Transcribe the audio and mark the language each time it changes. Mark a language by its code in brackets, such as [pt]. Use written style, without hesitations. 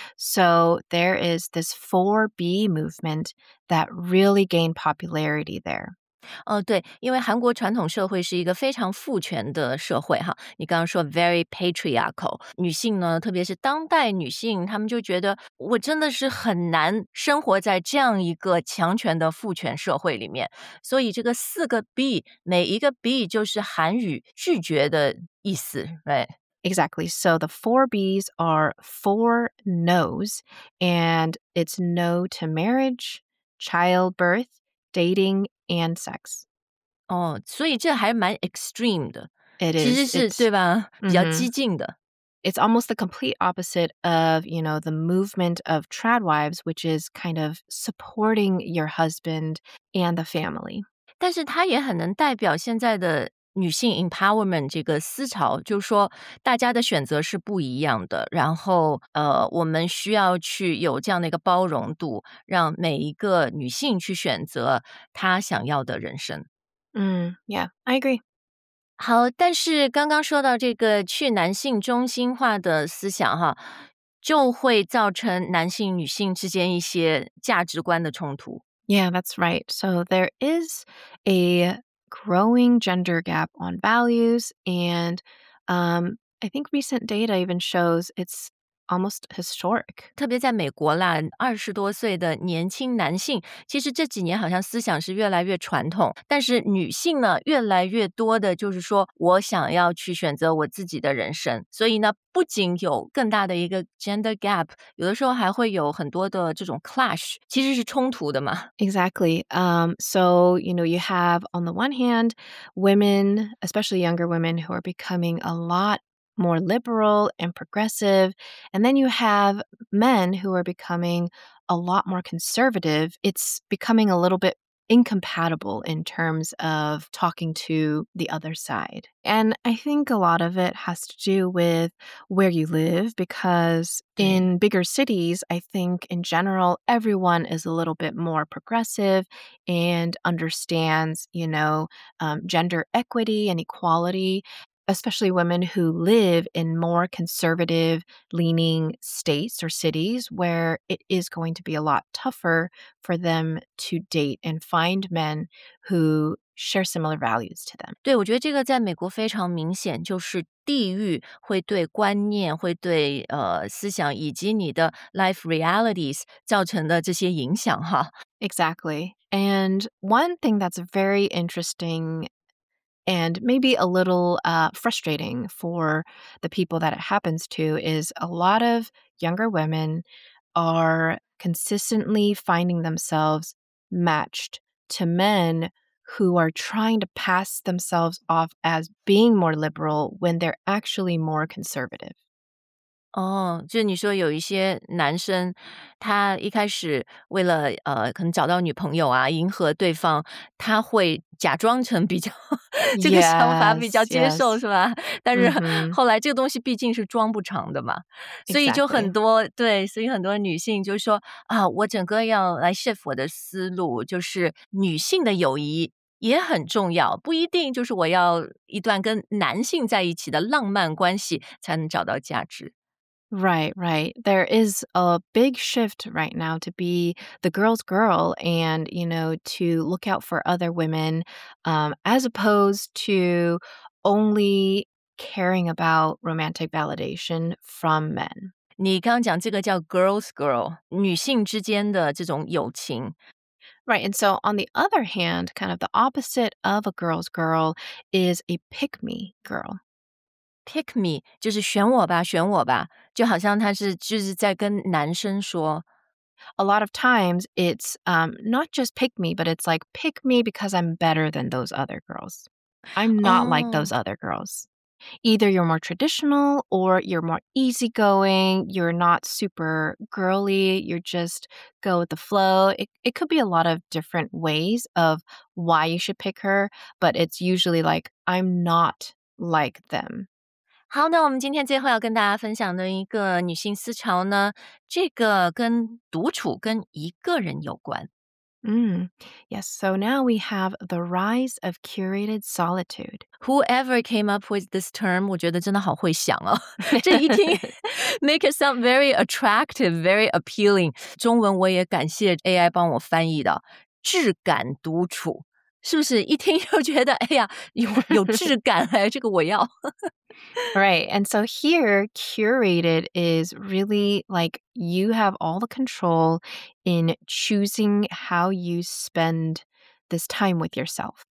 [en] So there is this 4B movement that really gained popularity there. [zh] 对，因为韩国传统社会是一个非常父权的社会哈。你刚刚说 [en] very patriarchal， [zh] 女性呢，特别是当代女性，她们就觉得我真的是很难生活在这样一个强权的父权社会里面。所以这个四个 B， 每一个 B 就是韩语拒绝的意思 ， [en] right？ Exactly. So the four B's are four no's, and it's no to marriage, childbirth, dating. And sex. Oh, so this is quite extreme. It is. [zh] 其实是对吧？比较激进的。 [en] It's almost the complete opposite of, you know, the movement of trad wives, which is kind of supporting your husband and the family. [zh] 但是它也很能代表现在的女性 empowerment 这个思潮，就是说大家的选择是不一样的，然后我们需要去有这样的一个包容度，让每一个女性去选择她想要的人生。 [en] Yeah, I agree. [zh] 好，但是刚刚说到这个去男性中心化的思想哈，就会造成男性女性之间一些价值观的冲突。 [en] Yeah, that's right. So there is a... growing gender gap on values, and I think recent data even shows it's almost historic. [zh] 特别在美国啦，二十多岁的年轻男性，其实这几年好像思想是越来越传统，但是女性呢，越来越多的就是说我想要去选择我自己的人生，所以呢，不仅有更大的一个 gender gap， 有的时候还会有很多的这种 clash， 其实是冲突的嘛。 [en] Exactly. So, you know, you have on the one hand, women, especially younger women who are becoming a lot more liberal and progressive, and then you have men who are becoming a lot more conservative. It's becoming a little bit incompatible in terms of talking to the other side. And I think a lot of it has to do with where you live, because in bigger cities, I think in general, everyone is a little bit more progressive and understands, you know, gender equity and equality. Especially women who live in more conservative leaning states or cities where it is going to be a lot tougher for them to date and find men who share similar values to them. [zh] 对，我觉得这个在美国非常明显，就是地域会对观念，会对思想以及你的 [en] life realities [zh] 造成的这些影响哈。 [en] Exactly. And one thing that's very interestingand maybe a little frustrating for the people that it happens to is a lot of younger women are consistently finding themselves matched to men who are trying to pass themselves off as being more liberal when they're actually more conservative. [zh] 哦，就你说有一些男生他一开始为了可能找到女朋友啊，迎合对方，他会假装成比较这个想法比较接受 [en] yes, [zh] 是吧，但是后来这个东西毕竟是装不长的嘛、 mm-hmm. 所以就很多、 [en] exactly. [zh] 对，所以很多女性就说啊，我整个要来 shift 我的思路，就是女性的友谊也很重要，不一定就是我要一段跟男性在一起的浪漫关系才能找到价值。 [en] Right, right. There is a big shift right now to be the girl's girl and, you know, to look out for other women, as opposed to only caring about romantic validation from men. [zh] 你刚刚讲这个叫 girl's girl, 女性之间的这种友情。 [en] Right, and so on the other hand, kind of the opposite of a girl's girl is a pick-me girl. Pick me, [zh] 就是选我吧，选我吧，就好像他是就是在跟男生说。 [en] A lot of times, it's not just pick me, but it's like pick me because I'm better than those other girls. I'm not like those other girls. Either you're more traditional or you're more easygoing, you're not super girly, you just go with the flow. It could be a lot of different ways of why you should pick her, but it's usually like, I'm not like them. [zh] 好，那我们今天最后要跟大家分享的一个女性思潮呢，这个跟独处跟一个人有关。 [en] Yes, so now we have the rise of curated solitude. Whoever came up with this term, [zh] 我觉得真的好会想哦。这一听 [en] make it sound very attractive, very appealing. [zh] 中文我也感谢 AI 帮我翻译的，质感独处。是不是一听就觉得哎呀有质感哎这个我要。 [en] Right, and so here, curated is really like you have all the control in choosing how you spend this time with yourself.